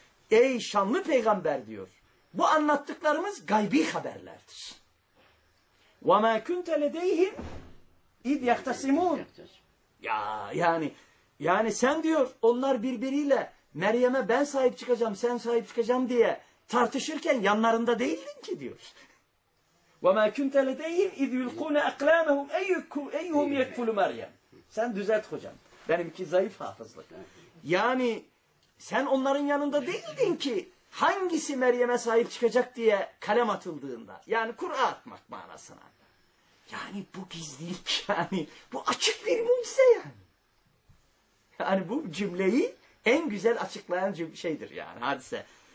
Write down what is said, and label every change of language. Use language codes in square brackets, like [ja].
[tr] Ey şanlı peygamber diyor. Bu anlattıklarımız gaybi haberlerdir. [ar] وَمَا كُنْتَ لَدَيْهِمْ اِذْ يَخْتَسِمُونَ [tr] Ya yani sen diyor onlar birbiriyle Meryem'e ben sahip çıkacağım, sen sahip çıkacağım diye tartışırken yanlarında değildin ki diyor. [ar] وَمَا كُنْتَ لَدَيْهِمْ اِذْ يُلْقُونَ اَقْلَامَهُمْ اَيُّهُمْ يَكْفُلُ مَرْيَمْ [tr] Sen düzelt hocam. Benimki zayıf hafızlık. Yani sen onların yanında değildin ki hangisi Meryem'e sahip çıkacak diye kalem atıldığında. Yani Kur'a atmak manasına. Yani bu gizlilik yani. Bu açık bir mucize yani. Yani bu cümleyi en güzel açıklayan şeydir yani hadise.